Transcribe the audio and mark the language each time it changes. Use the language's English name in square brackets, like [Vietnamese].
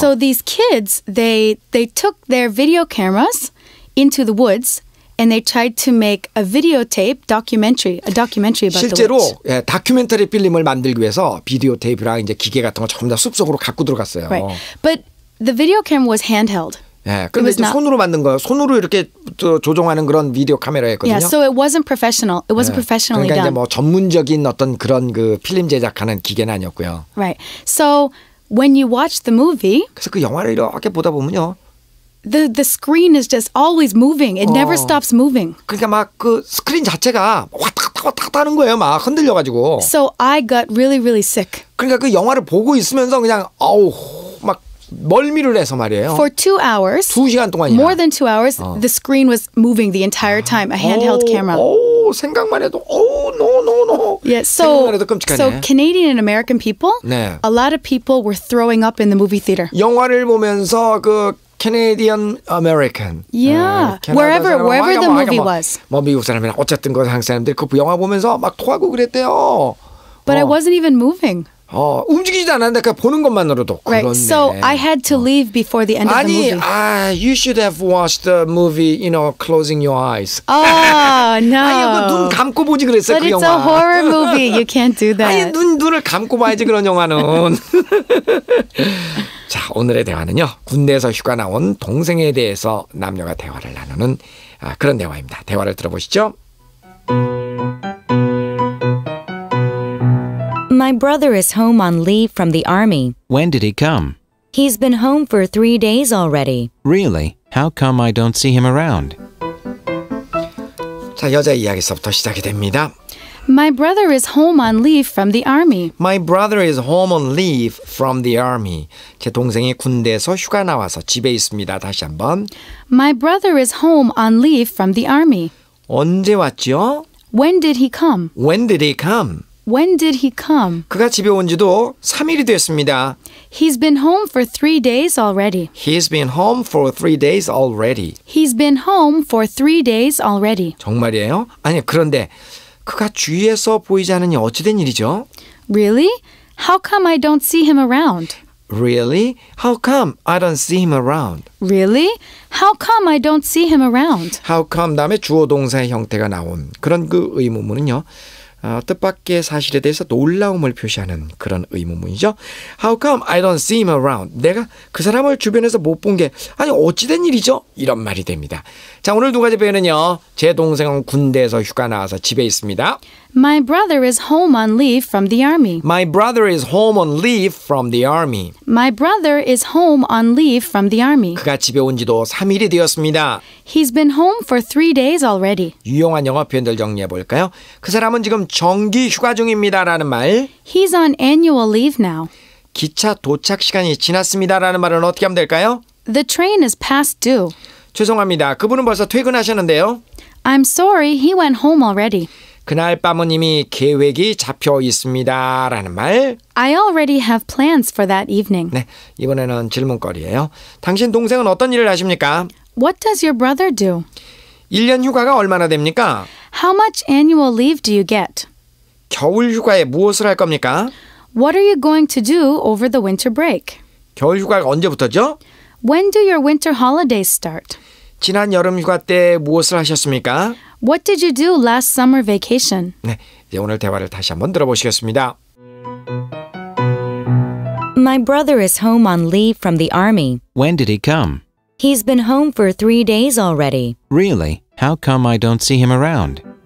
[English] So these kids, they took their video cameras into the woods and they tried to make a videotape documentary, a documentary about [Korean] 실제로, [English] the witch. [Korean] 실제로 예, 다큐멘터리 필름을 만들기 위해서 비디오 테이프랑 이제 기계 같은 거 전부 다 숲속으로 갖고 들어갔어요. [English] Right. But the video camera was handheld. [Korean] 예, 근데 이제 손으로 만든 거예요. 손으로 이렇게 조종하는 그런 비디오 카메라였거든요. [English] Yeah, so it wasn't professional. It wasn't 예, professionally [Korean] 그러니까 그러니까 이제 뭐 전문적인 어떤 그런 그 필름 제작하는 기계는 아니었고요. [English] Right. So when you watch the movie, 그래서 그 영화를 이렇게 보다 보면요. The screen is just always moving. It never stops moving. [Korean] 그러니까 막 그 스크린 자체가 왔다 갔다 하는 거예요. 막 흔들려가지고. [English] So I got really, really sick. [Korean] 그러니까 그 영화를 보고 있으면서 그냥 아우 막 멀미를 해서 말이에요. [English] For 2 hours. [Korean] 2시간 동안이야. [English] More than 2 hours, the screen was moving the entire time. A handheld camera. [Korean] 생각만 해도 no. [English] Yeah, so, [Korean] 생각만 해도 끔찍하네. [English] So Canadian and American people, [Korean] 네. [English] A lot of people were throwing up in the movie theater. [Korean] 영화를 보면서 그 Canadian American. [English] Yeah. Wherever the movie was. [Korean] 뭐 미국 사람이나 어쨌든 그 한국 사람들 그 영화 보면서 막 토하고 그랬대요. [English] But I wasn't even moving. [Korean] 움직이지도 않았는데 그냥 보는 것만으로도 [English] right. [Korean] 그런데. [English] So I had to leave before the end [Korean] 아니, [English] of the movie. [Korean] 아니, [English] you should have watched the movie, you know, closing your eyes. Oh, no. [Korean] 아니, 눈 감고 보지 그랬어요, 그 영화. [English] But it's a horror movie. You can't do that. [Korean] 아니, 눈을 감고 봐야지 그런 영화는. 자, 오늘의 대화는요. 군대에서 휴가 나온 동생에 대해서 남녀가 대화를 나누는 그런 대화입니다. 대화를 들어보시죠. [English] My brother is home on leave from the army. When did he come? He's been home for 3 days already. Really? How come I don't see him around? [Korean] 자, 여자 이야기서부터 시작이 됩니다. [English] My brother is home on leave from the army. My brother is home on leave from the army. [Korean] 제 동생이 군대에서 휴가 나와서 집에 있습니다. 다시 한번. [English] My brother is home on leave from the army. [Korean] 언제 왔죠? [English] When did he come? When did he come? When did he come? [Korean] 그가 집에 온 지도 3일이 됐습니다. [English] He's been home for 3 days already. He's been home for 3 days already. He's been home for 3 days already. [Korean] 정말이에요? 아니, 그런데 그가 주위에서 보이지 않으니 어찌된 일이죠? [English] Really? How come I don't see him around? Really? How come I don't see him around? Really? How come I don't see him around? How come [Korean] 다음에 주어 동사의 형태가 나온 그런 그 의문문은요. 뜻밖의 사실에 대해서 놀라움을 표시하는 그런 의문문이죠. [English] How come I don't see him around? [Korean] 내가 그 사람을 주변에서 못 본 게 아니 어찌된 일이죠? 이런 말이 됩니다. 자, 오늘 두 가지 표현은요. 제 동생은 군대에서 휴가 나와서 집에 있습니다. [English] My brother is home on leave from the army. My brother is home on leave from the army. My brother is home on leave from the army. [Korean] 그가 집에 온 지도 3일이 되었습니다. [English] He's been home for 3 days already. [Korean] 유용한 영어 표현들 정리해 볼까요? 그 사람은 지금 정기 휴가 중입니다라는 말. [English] He's on annual leave now. [Korean] 기차 도착 시간이 지났습니다라는 말은 어떻게 하면 될까요? [English] The train is past due. [Korean] 죄송합니다. 그분은 벌써 퇴근하셨는데요. [English] I'm sorry. He went home already. [Korean] 그날 밤은 이미 계획이 잡혀 있습니다라는 말. [English] I already have plans for that evening. [Korean] 네, 이번에는 질문거리예요. 당신 동생은 어떤 일을 하십니까? [English] What does your brother do? [Korean] 1년 휴가가 얼마나 됩니까? [English] How much annual leave do you get? [Korean] 겨울 휴가에 무엇을 할 겁니까? [English] What are you going to do over the winter break? [Korean] 겨울 휴가가 언제부터죠? [English] When do your winter holidays start? [Korean] 지난 여름 휴가 때 무엇을 하셨습니까? [English] What did you do last summer vacation? [Korean] 네, 이제 오늘 대화를 다시 한번 들어보시겠습니다. [English] My brother is home on leave from the army. When did he come? He's been home for 3 days already. Really? How come I don't see him around?